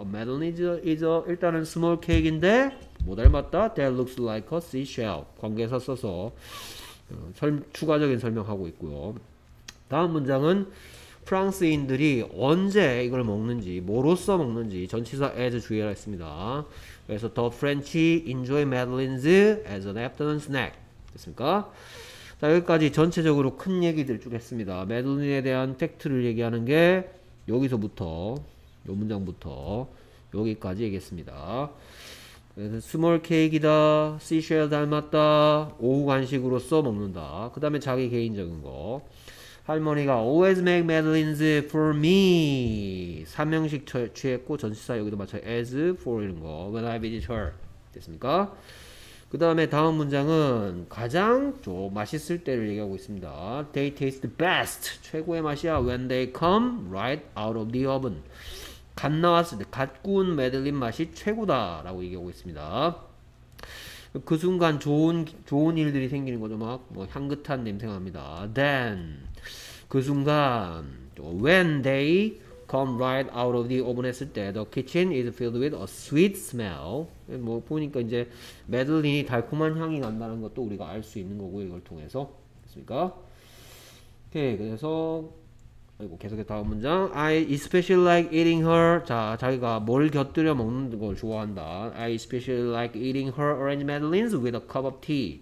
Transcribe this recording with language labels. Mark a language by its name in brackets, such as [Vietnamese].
[English] Madeline is a, [Korean] 일단은 small cake인데 뭐 닮았다? [English] That looks like a seashell. [Korean] 관계사 써서 추가적인 설명하고 있고요. 다음 문장은 프랑스인들이 언제 이걸 먹는지, 뭐로써 먹는지 전치사 as 주의하라 했습니다. 그래서 [English] The French enjoy Madeline's as an afternoon snack. [Korean] 됐습니까? 자, 여기까지 전체적으로 큰 얘기들 쭉 했습니다. Madeline에 대한 팩트를 얘기하는 게 여기서부터, 요 문장부터 여기까지 얘기했습니다. 그래서 스몰 케이크이다, 시쉘 닮았다, 오후 간식으로 써 먹는다. 그 다음에 자기 개인적인 거. 할머니가 [English] always make Madeline's for me. [Korean] 삼형식 취했고, 전치사 여기도 맞춰 as for 이런 거. [English] When I visit her. [Korean] 됐습니까? 그 다음에 다음 문장은 가장 좀 맛있을 때를 얘기하고 있습니다. [English] They taste the best. [Korean] 최고의 맛이야. [English] When they come right out of the oven. [Korean] 갓 나왔을 때, 갓 구운 메들린 맛이 최고다 라고 얘기하고 있습니다. 그 순간 좋은 일들이 생기는 거죠. 막 뭐 향긋한 냄새가 납니다. [English] Then, [Korean] 그 순간 [English] When they come right out of the oven 했을 때 The kitchen is filled with a sweet smell. [Korean] 뭐 보니까 이제 메들린이 달콤한 향이 난다는 것도 우리가 알 수 있는 거고요. 이걸 통해서 됐습니까? 오케이, 그래서 그리고 계속해서 다음 문장 [English] I especially like eating her. [Korean] 자, 자기가 뭘 곁들여 먹는 걸 좋아한다. [English] I especially like eating her orange madeleines with a cup of tea.